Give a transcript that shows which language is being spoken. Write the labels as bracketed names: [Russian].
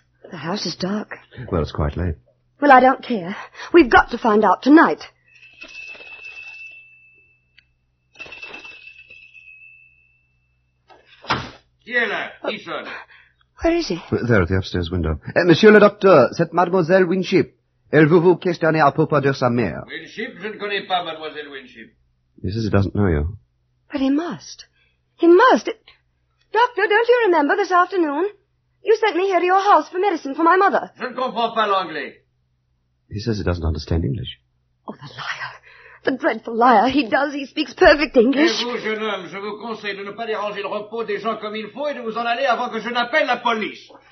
[English] The house is dark. Well, it's quite late. Well, I don't care. We've got to find out tonight. Here, Ethan. Where is he? There at the upstairs window. [French] Monsieur le docteur, c'est Mademoiselle Winship. Elle veut vous questionner à propos de sa mère. Winship? Je ne connais pas Mademoiselle Winship. [English] He says he doesn't know you. But he must. He must. Doctor, don't you remember this afternoon? You sent me here to your house for medicine for my mother. [French] Je ne comprends pas l'anglais. [English] He says he doesn't understand English. Oh, the liar. The dreadful liar. He does. He speaks perfect English. [French] Et vous, jeune homme, je vous conseille de ne pas déranger le repos des gens comme il faut et de vous en aller avant que je n'appelle la police.